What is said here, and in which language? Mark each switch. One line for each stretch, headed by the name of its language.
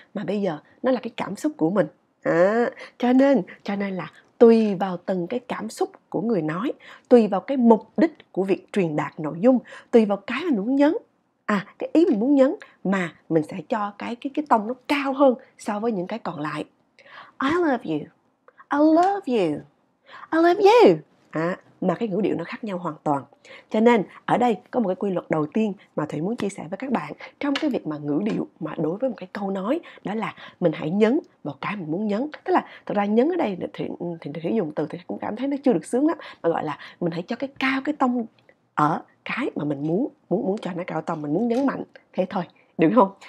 Vietnamese: Mà bây giờ nó là cái cảm xúc của mình. À, cho nên là tùy vào từng cái cảm xúc của người nói, tùy vào cái mục đích của việc truyền đạt nội dung, tùy vào cái mình muốn nhấn, à, cái ý mình muốn nhấn, mà mình sẽ cho cái tông nó cao hơn so với những cái còn lại.
English: I love you. I love you. I love you. À,
Vietnamese: mà cái ngữ điệu nó khác nhau hoàn toàn. Cho nên ở đây có một cái quy luật đầu tiên mà Thủy muốn chia sẻ với các bạn trong cái việc mà ngữ điệu mà đối với một cái câu nói, đó là mình hãy nhấn vào cái mình muốn nhấn. Tức là thật ra nhấn ở đây thì dùng từ thì cũng cảm thấy nó chưa được sướng lắm, mà gọi là mình hãy cho cái cao cái tông ở cái mà mình muốn cho nó cao tông, mình muốn nhấn mạnh thế thôi, được không?